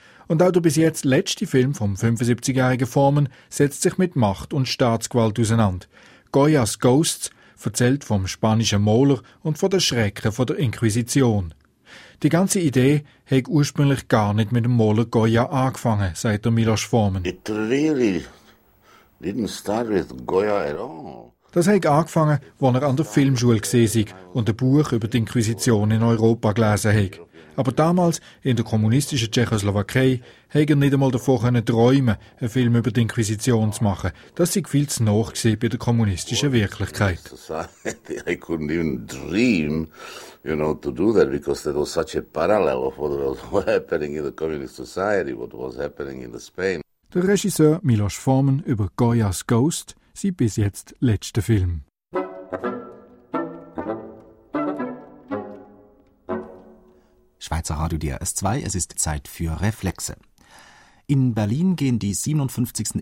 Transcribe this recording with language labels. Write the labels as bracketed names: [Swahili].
[German] Und auch der bis jetzt letzte Film vom 75-jährigen Forman setzt sich mit Macht und Staatsgewalt auseinander. Goya's Ghosts erzählt vom spanischen Maler und von den Schrecken der Inquisition. Die ganze Idee hat ursprünglich gar nicht mit dem Maler Goya angefangen, sagt der Miloš Forman. [English] It really didn't start with Goya at all. [German] Das hat angefangen, als er an der Filmschule gewesen und ein Buch über die Inquisition in Europa gelesen hat. Aber damals, in der kommunistischen Tschechoslowakei, hätte er nicht einmal davon träumen, einen Film über die Inquisition zu machen. Das sei viel zu nah bei der kommunistischen Wirklichkeit. [English] I couldn't even dream, you know, to do that, because there was such a parallel of what was happening in the communist society, what was happening in Spain. [German] Der Regisseur Miloš Forman über Goya's Ghost, sein bis jetzt letzter Film. Schweizer Radio DRS2, es ist Zeit für Reflexe. In Berlin gehen die 57.